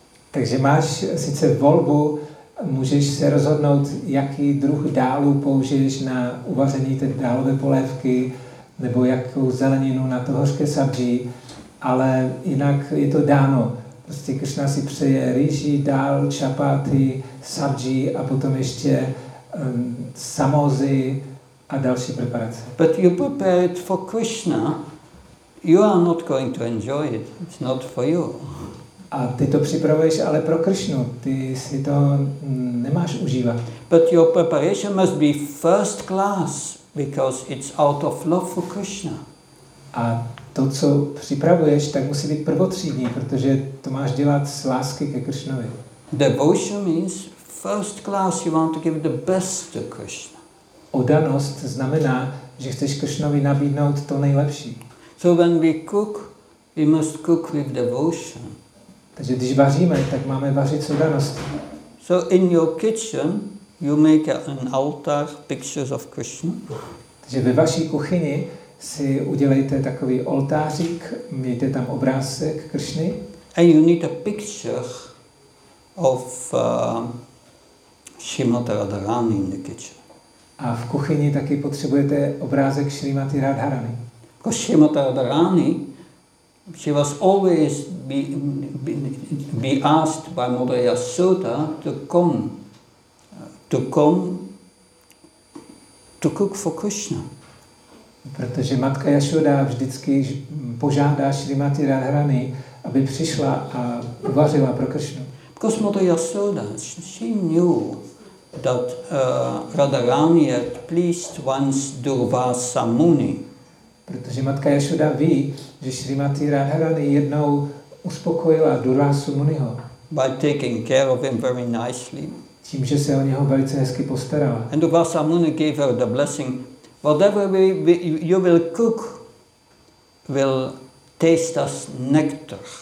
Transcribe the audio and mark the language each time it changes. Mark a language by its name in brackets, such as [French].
[Czech] Takže máš sice volbu, můžeš se rozhodnout, jaký druh dálu použiješ na uvaření té dálové polévky, nebo jakou zeleninu na to hořké sabří, ale jinak je to dáno. Prostě Krishna si přeje rýži, dál, čapáty, sabží a potom ještě samozy a další preparace. [English] But you prepare it for Krishna, you are not going to enjoy it, it's not for you. [Czech] A ty to připravuješ ale pro Krishnu, ty si to nemáš užívat. [English] But your preparation must be first class, because it's out of love for Krishna. [Czech] A to, co připravuješ, tak musí být prvotřídní, protože to máš dělat z lásky ke Krishnovi. [English] Devotion means first class, you want to give the best to Krishna. [Czech] Oddanost znamená, že chceš Krishnovi nabídnout to nejlepší. [English] So when we cook, we must cook with devotion. [Czech] Takže když vaříme, tak máme vařit s oddaností. [English] So in your kitchen, you make an altar, pictures of Krishna. [Czech] Takže ve vaší kuchyni si udělejte takový oltářík, mějte tam obrázek Krishny. [English] And you need a picture of Srimati Radharani in the kitchen. [Czech] A v kuchyni taky potřebujete obrázek Srimati Radharani. [English] Because Srimati Radharani, she was always be asked by Mother Yasoda to come to cook for Krishna. [Czech] Protože matka Yashoda vždycky požádá Srimati Radharani, aby přišla a uvařila pro Krishnu. [English] Because Mother Yashoda, she knew that Radharani had pleased once Durvasa Muni. [Czech] Protože matka Yashoda ví, že Srimati Radharani jednou uspokojila Durvasu Muniho. [English] By taking care of him very nicely. [Czech] Tím, že se o něho velice hezky postarala. [English] And Durvasa Muni gave her the blessing. Whatever you will cook will taste as nectar.